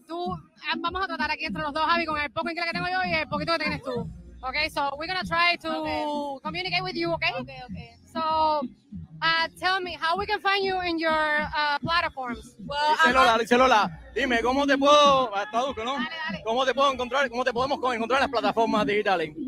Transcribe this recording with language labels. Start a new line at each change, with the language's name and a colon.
Spanish: Tú, vamos a tratar aquí entre los dos, Javi, con el poco inglés que tengo yo y el poquito que tienes tú.
English: Okay, so we're gonna try to communicate with you. Okay. Okay. So. Tell me, how we can find you in your platforms?
Spanish: Well, dice Lola, dime, ¿cómo te puedo, traduzco, no? Dale, dale. ¿Cómo te puedo encontrar, cómo te podemos encontrar en las plataformas digitales?